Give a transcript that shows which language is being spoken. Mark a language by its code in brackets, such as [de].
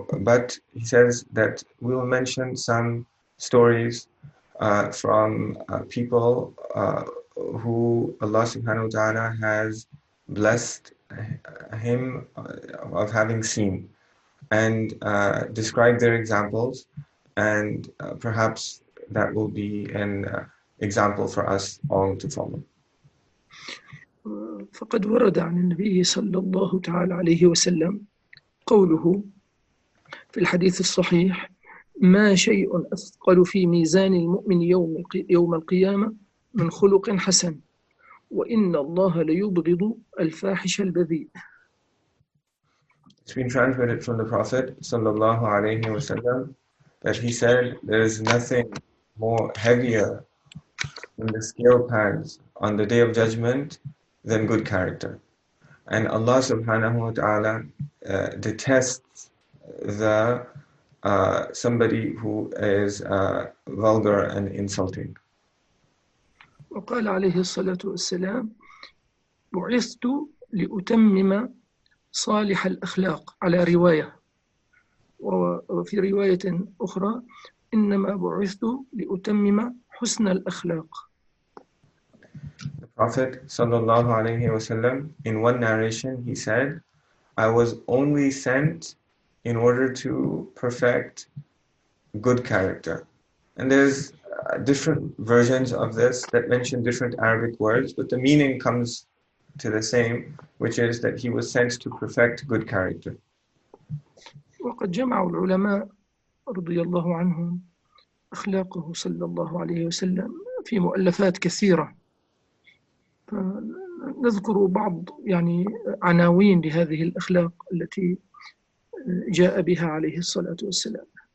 [en] But he says that we will mention some stories from people who Allah subhanahu wa ta'ala has blessed him of having seen, and describe their examples, and perhaps that will be an example for us all to follow. [ar] فقد ورد عن النبي صلى الله تعالى عليه وسلم قوله في الحديث الصحيح: ما شيء أثقل في ميزان المؤمن يوم القيامة من خلق حسن وإن الله ليبغض الفاحش البذيء. [en] It's been transmitted from the Prophet صلى الله عليه وسلم that he said there is nothing more heavier than the scale pans on the day of judgment than good character. And Allah subhanahu wa ta'ala detests the somebody who is vulgar and insulting. [ar] وقال عليه الصلاة والسلام: بعثت لأتمم صالح الأخلاق، على رواية، وفي رواية أخرى: إنما بعثت لأتمم حسن الأخلاق. [en] Prophet sallallahu alaihi wasallam, in one narration he said, "I was only sent in order to perfect good character." And there's different versions of this that mention different Arabic words, but the meaning comes to the same, which is that he was sent to perfect good character. [ar] وقد جمع العلماء رضي الله عنهم أخلاقه صلى الله عليه وسلم في مؤلفات كثيرة، فنذكر بعض يعني عناوين لهذه الأخلاق التي جاء بها عليه الصلاة والسلام.